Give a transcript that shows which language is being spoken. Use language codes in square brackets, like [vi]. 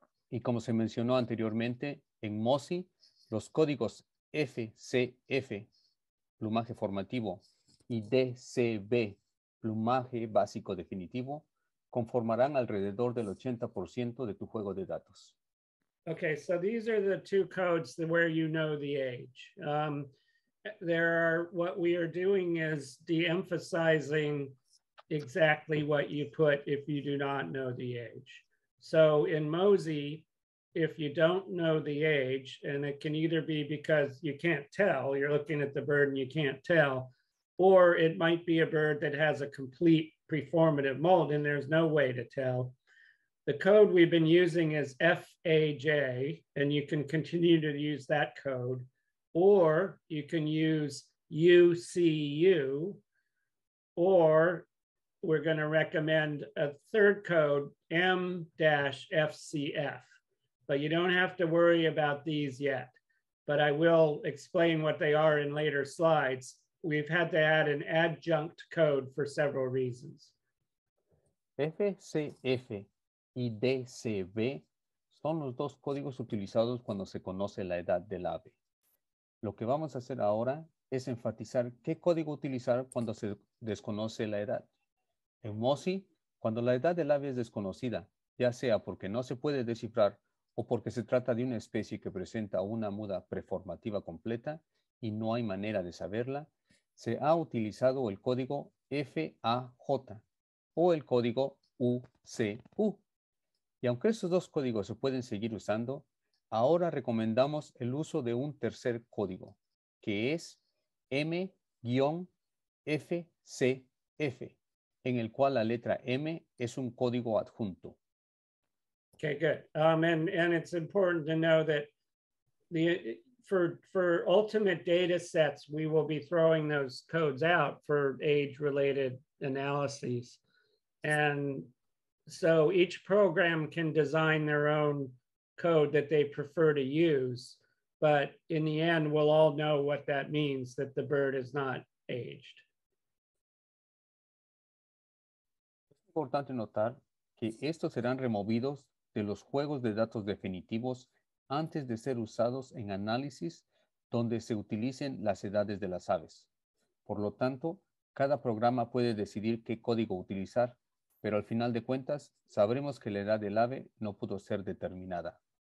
[es] Y como se mencionó anteriormente, en MoSI, los códigos FCF, plumaje formativo, y DCB, plumaje básico definitivo, conformarán alrededor del 80% de tu juego de datos. [en] Okay, so these are the two codes where you know the age. There are, what we are doing is de-emphasizing exactly what you put if you do not know the age. So in MoSI, if you don't know the age, and it can either be because you can't tell, you're looking at the bird and you can't tell, or it might be a bird that has a complete preformative molt and there's no way to tell. The code we've been using is FAJ, and you can continue to use that code, or you can use UCU, or we're going to recommend a third code, M-FCF. But you don't have to worry about these yet, but I will explain what they are in later slides. We've had to add an adjunct code for several reasons. [es] FCF y DCB son los dos códigos utilizados cuando se conoce la edad del ave. Lo que vamos a hacer ahora es enfatizar qué código utilizar cuando se desconoce la edad. En MoSI, cuando la edad del ave es desconocida, ya sea porque no se puede descifrar o porque se trata de una especie que presenta una muda preformativa completa y no hay manera de saberla, se ha utilizado el código FAJ o el código UCU. Y aunque estos dos códigos se pueden seguir usando, ahora recomendamos el uso de un tercer código, que es M-FCF, en el cual la letra M es un código adjunto. [en] Okay, good. And it's important to know that for ultimate data sets, we will be throwing those codes out for age-related analyses. And so each program can design their own code that they prefer to use. But in the end, we'll all know what that means, that the bird is not aged. [es] Es importante notar que estos serán removidos de los juegos de datos definitivos antes de ser usados en análisis donde se utilicen las edades de las aves. Por lo tanto, cada programa puede decidir qué código utilizar, pero al final de cuentas, sabremos que la edad del ave no pudo ser determinada.